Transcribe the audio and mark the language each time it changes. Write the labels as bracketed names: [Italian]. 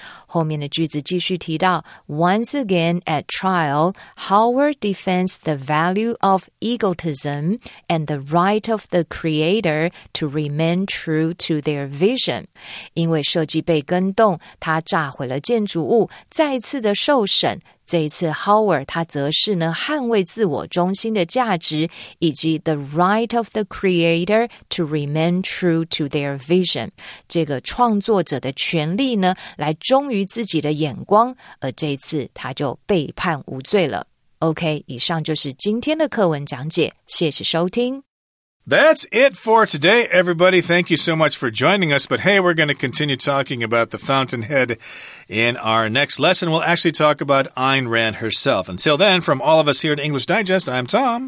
[Chinese] 后面的句子继续提到 [English] Once again at trial, Howard defends the value of egotism and the right of the creator to remain true to their vision. [Chinese] 因为设计被更动，他炸毁了建筑物，再次的受审。这一次 Howard 他则是呢捍卫自我中心的价值，以及 [English] the right of the creator to remain true to their vision， [Chinese] 这个创作者的权利呢来忠于自己的眼光，而这一次他就被判无罪了。 OK， 以上就是今天的课文讲解，谢谢收听。 [English] That's it for today, everybody. Thank you so much for joining us. But hey, we're going to continue talking about the Fountainhead in our next lesson. We'll actually talk about Ayn Rand herself. Until then, from all of us here at English Digest, I'm Tom.